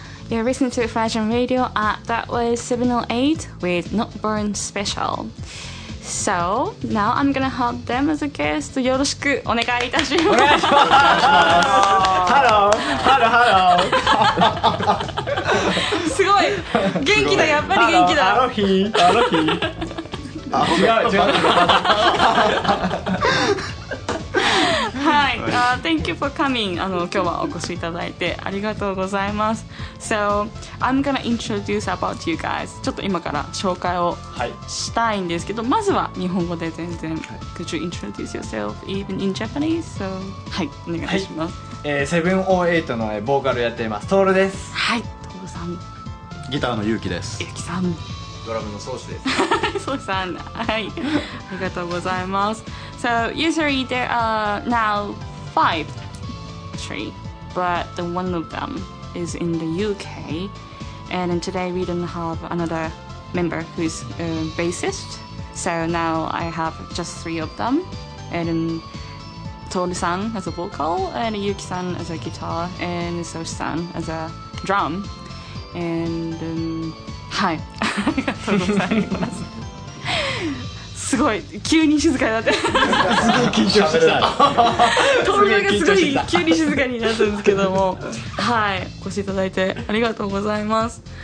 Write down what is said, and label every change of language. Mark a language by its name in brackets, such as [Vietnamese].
[English] You're listening to Flyjam Radio. That was 708 with Not Born Special. So now I'm gonna have them as a guest. [Japanese] よろしくお願いいたします。お願いします。 [English] Hello, hello, hello. [Japanese] すごい。元気だ。やっぱり元気だ。あの日、あの日。違う。 [English] はい。Thank you for coming. [Japanese] 今日はお越しいただいてありがとうございます。 [English] So, I'm gonna introduce about you guys. [Japanese] ちょっと今から紹介をしたいんですけど、まずは日本語で全然。 [English] Could you introduce yourself even in Japanese? [Japanese] So, はい、お願いします。 708のボーカルやっています。トールです。はい、トールさん。ギターのゆうきです。ゆうきさん。ドラムのソウシです。ソウシさん、はい。ありがとうございます。 [English] So, usually there are now five three, but the one of them is in the UK, and today we don't have another member who is a bassist, so now I have just three of them, and Toru-san as a vocal, and Yuki-san as a guitar, and Soshi-san as a drum, and hi, thank you. [Japanese] すごい急に静かになってすごい緊張してた透明がすごい急に静かになったんですけどもはい、お越しいただいてありがとうございます。